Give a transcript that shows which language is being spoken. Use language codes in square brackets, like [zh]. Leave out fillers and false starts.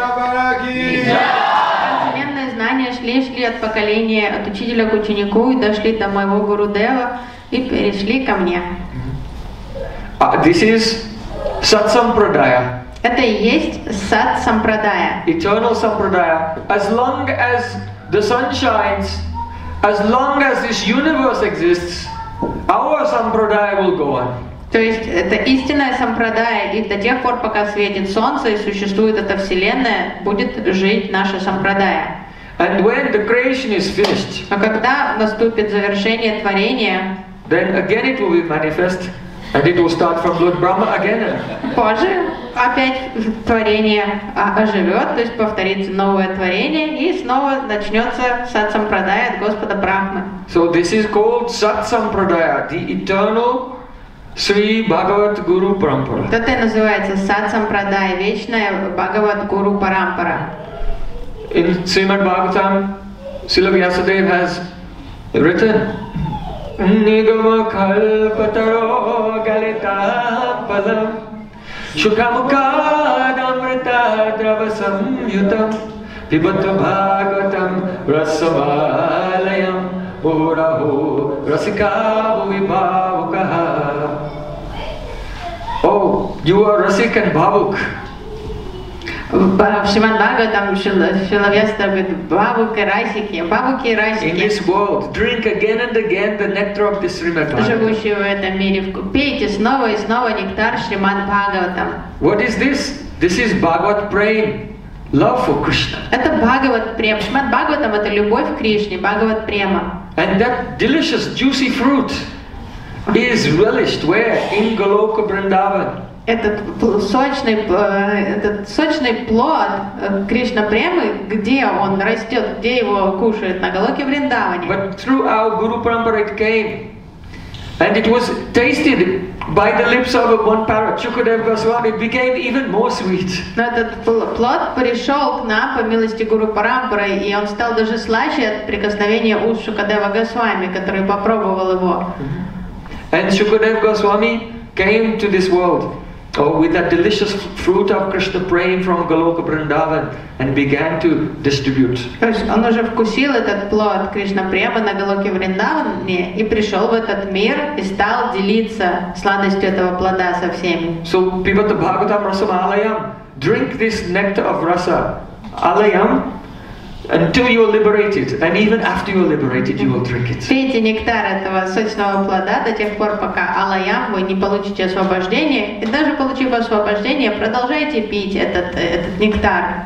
[ru] Трансцендентные знания шли от поколения, от учителя к ученику, и дошли до моего Гурудева, и перешли ко мне. [en] This is Сат-сампрадая. [ru] Это и есть сад сампрадая. [en] Eternal сампрадая. As long as the sun shines, as long as this universe exists, our сампрадая will go on. [ru] То есть это истинная сампрадая, и до тех пор, пока светит солнце и существует эта вселенная, будет жить наша сампрадая. [en] And when the creation is finished. [ru] А когда наступит завершение творения? [en] Then again it will be manifest. And it will start from Lord Brahma again. [ru] Позже опять творение оживет, то есть повторится новое творение, и снова начнется сат-сампрадая от Господа Брахмы. [en] So this is called сат-сампрадая, the eternal Sri Bhagavat Guru Parampara. [ru] Это называется сат-сампрадая, вечная Бхагават Гуру Парампара. [en] In Srimad Bhagavatam, Srila Vyasadeva has written, [sa] Nigama kalpataro galita palam Shukamukadamrita dravasam yutam Pibhatva bhagavatam rasamalayam Uraho rasikavu vibhavukaha. [en] Oh, you are rasik and bhavuk. [ru] В Шриман Бхагаватам Шилавьяса говорит, бабуки и расики. [en] In this world, drink again and again the nectar of the Srimad Bhagavatam. [ru] Живущие в этом мире, пейте снова и снова нектар Шриман Бхагаватам. [en] What is this? This is Bhagavat Prem, love for Krishna. [ru] Это Бхагават Прем. Шриман Бхагаватам — это любовь к Кришне, Бхагават Према. [en] And that delicious, juicy fruit is relished where? In Goloka Vrindavan. [ru] Этот сочный плод Кришна Премы, где он растет, где его кушают, на Голоке Вриндаване. [en] But through our Guru Parampara it came, and it was tasted by the lips of one parrot, Shukadeva Goswami, it became even more sweet. [ru] Но этот плод пришел к нам по милости Гуру Парампары, и он стал даже слаще от прикосновения уст Шукадева Госвами, который попробовал его. [en] And Shukadeva Goswami came to this world. So with that delicious fruit of Krishna Prem from Goloka Vrindavan and began to distribute. [ru] То есть он уже вкусил этот плод Кришна Према на Голоке Вриндаване и пришел в этот мир и стал делиться сладостью этого плода со всеми. [en] So [sa] pivata bhagavatam rasam alayam, [en] drink this nectar of rasa alayam until you are liberated, and even after you are liberated, you will drink it. [ru] Пейте нектар этого сочного плода до тех пор, пока алаям вы не получите освобождение, и даже получив освобождение, продолжайте пить этот нектар.